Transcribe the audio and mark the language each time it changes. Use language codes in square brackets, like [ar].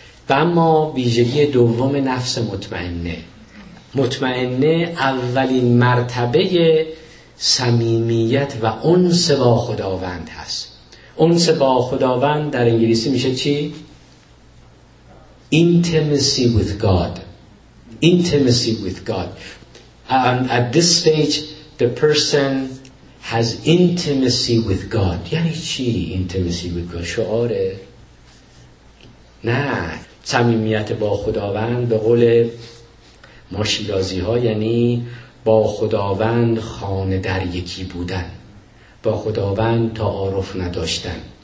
[fa] و اما ویژگی دوم نفس مطمئنه، مطمئنه اولین مرتبه صمیمیت و انس با خداوند هست. انس با خداوند در انگلیسی میشه چی؟ [en] Intimacy with God. Intimacy with God. And at this stage the person has intimacy with God. [fa] یعنی چی [en] intimacy with God؟ [fa] شعاره؟ نه، صمیمیت با خداوند به قول ما شیرازی ها یعنی با خداوند خانه در یکی بودن، با خداوند تعارف نداشتن.